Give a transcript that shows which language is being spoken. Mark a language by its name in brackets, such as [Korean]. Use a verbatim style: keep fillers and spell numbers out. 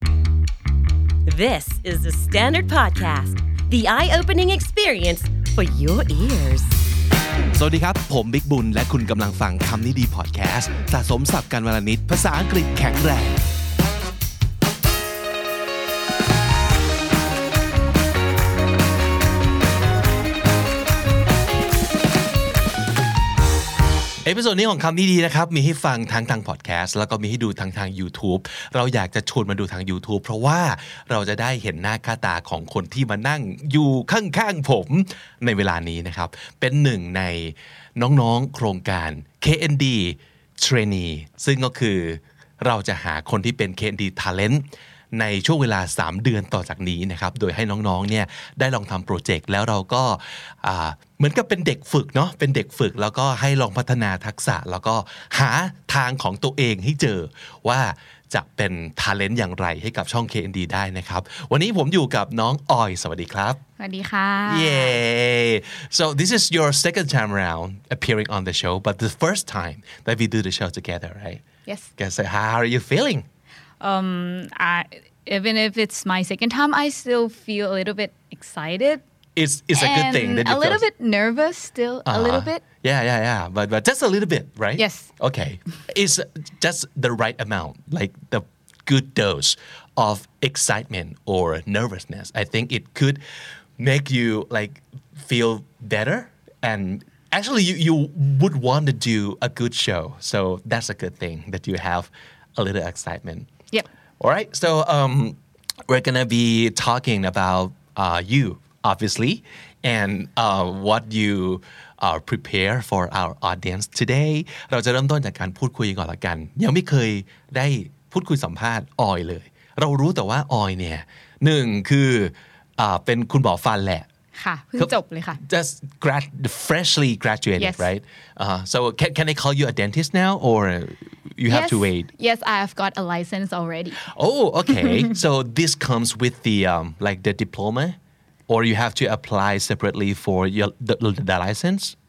[English] This is the Standard Podcast, the eye-opening experience for your ears. [Thai] สวัสดีครับผมบิ๊กบุญและคุณกำลังฟังคำนี้ดีพอดแคสต์สะสมศัพท์กันวลนิดภาษาอังกฤษแข็งแรง เอพิโซดนี้ของคำนี้ดีนะครับมีให้ฟังทั้งทางพอดแคสต์แล้วก็มีให้ดูทางทาง YouTube เราอยากจะชวนมาดูทาง YouTube เพราะว่าเราจะได้เห็นหน้าค่าตาของคนที่มานั่งอยู่ข้างๆผมในเวลานี้นะครับเป็นหนึ่งใน น้องๆโครงการ เค เอ็น ดี Trainee ซึ่งก็คือเราจะหาคนที่เป็น เค เอ็น ดี Talent ในช่วงเวลาสามเดือนต่อจากนี้นะครับโดยให้น้องๆเนี่ยได้ลองทำโปรเจกต์แล้วเราก็ เหมือนกับเป็นเด็กฝึกเนาะเป็นเด็กฝึกแล้วก็ให้ลองพัฒนาทักษะแล้วก็หาทางของตัวเองให้เจอว่าจะเป็น talent อย่างไรให้กับช่อง เค เอ็น ดี ได้นะครับวันนี้ผมอยู่กับน้องออยสวัสดีครับ สวัสดีค่ะ [English] Yay So this is your second time around appearing on the show but the first time that we do the show together right Yes Guess how are you feeling Um I even if it's my second time I still feel a little bit excited It's, it's and a good thing. That a little goes. bit nervous still, uh-huh. a little bit. Yeah, yeah, yeah. But, but just a little bit, right? Yes. Okay. It's just the right amount, like the good dose of excitement or nervousness. I think it could make you like feel better. And actually, you, you would want to do a good show. So that's a good thing that you have a little excitement. Yep. All right. So um, we're going to be talking about uh, you. Obviously, and uh, what you uh, prepare for our audience today. [Thai] เราจะเริ่มต้นจากการพูดคุยก่อนละกันยังไม่เคยได้พูดคุยสัมภาษณ์ออยเลยเรารู้แต่ว่าออยเนี่ยหนึ่งคืออ่าเป็นคุณหมอฟันแหละ ค่ะเพิ่งจบเลยค่ะ [English] Just grad- freshly graduated, yes. right? Uh, so can can I call you a dentist now, or you have yes. to wait? Yes, I have got a license already. Oh, okay. So this comes with the um, like the diploma. Or you have to apply separately for your, the, the license?